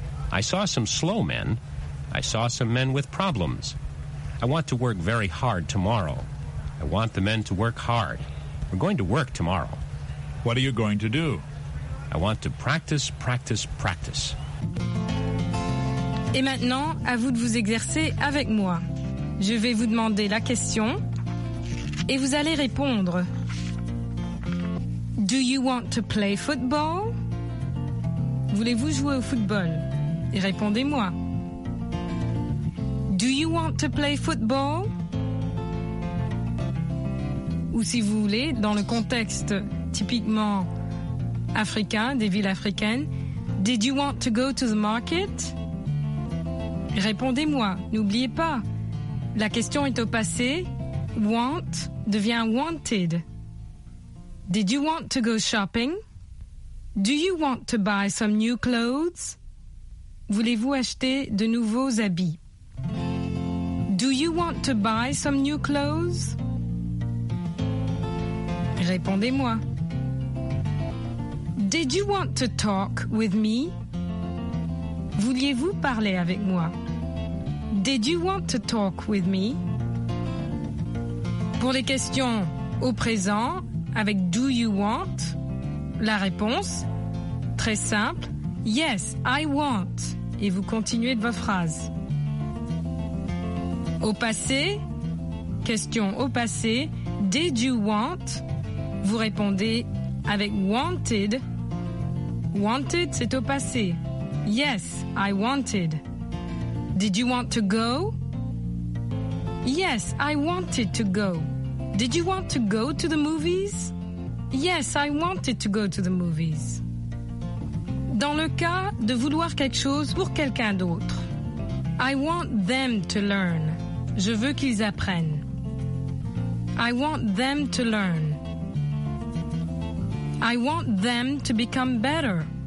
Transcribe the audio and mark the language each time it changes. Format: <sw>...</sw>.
<en>I saw some slow men. I saw some men with problems. I want to work very hard tomorrow. I want the men to work hard. We're going to work tomorrow. What are you going to do? I want to practice, practice, practice.</en> <fr>Et maintenant, à vous de vous exercer avec moi. Je vais vous demander la question et vous allez répondre.</fr> <en>Do you want to play football?</en> <fr>Voulez-vous jouer au football? Et répondez-moi.</fr> <en>Do you want to play football?</en> <fr>Ou si vous voulez, dans le contexte typiquement africain, des villes africaines,</fr> <en>did you want to go to the market?</en> <fr>Répondez-moi, n'oubliez pas. La question est au passé. Want devient wanted.</fr> <en>Did you want to go shopping? Do you want to buy some new clothes?</en> <fr>Voulez-vous acheter de nouveaux habits?</fr> <en>Do you want to buy some new clothes?</en> <fr>Répondez-moi.</fr> <en>Did you want to talk with me?</en> <fr>Vouliez-vous parler avec moi?</fr> <en>Did you want to talk with me?</en> <fr>Pour les questions au présent, avec do you want, la réponse, très simple,</fr> <en>yes, I want,</en> <fr>et vous continuez de vos phrases. Au passé, question au passé,</fr> <en>did you want,</en> <fr>vous répondez avec wanted. Wanted, c'est au passé.</fr> <en>Yes, I wanted. Did you want to go? Yes, I wanted to go. Did you want to go to the movies? Yes, I wanted to go to the movies.</en> <fr>Dans le cas de vouloir quelque chose pour quelqu'un d'autre.</fr> <en>I want them to learn.</en> <fr>Je veux qu'ils apprennent.</fr> <en>I want them to learn. I want them to become better.</en>